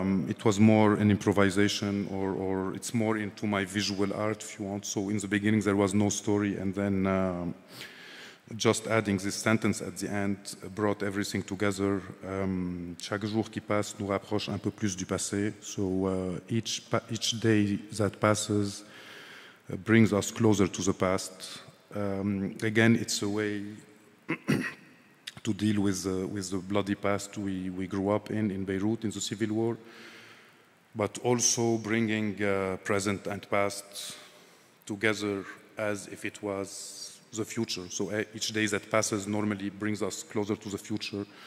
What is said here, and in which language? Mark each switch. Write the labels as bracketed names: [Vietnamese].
[English] It was more an improvisation, or it's more into my visual art, if you want. So in the beginning, there was no story, and then just adding this sentence at the end brought everything together. [French] Chaque jour qui passe nous rapproche un peu plus du passé. [English] So each day that passes brings us closer to the past. Again, it's a way to deal with the bloody past we grew up in Beirut, in the civil war, but also bringing present and past together as if it was the future. So each day that passes normally brings us closer to the future.